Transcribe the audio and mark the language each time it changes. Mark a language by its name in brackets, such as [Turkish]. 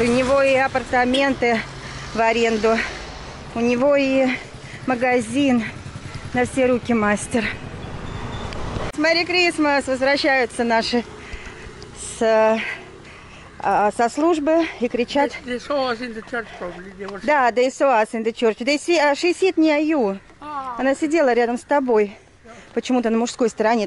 [Russian] У него и апартаменты в аренду. У него и магазин. На все руки мастер. [English] Merry Christmas! [Russian] Возвращаются наши со службы и кричат. [English] They saw us in the church, probably. [Russian] Да, [English] they saw us in the church. They see, she sit near you. [Russian] Она сидела рядом с тобой. Почему-то на мужской стороне.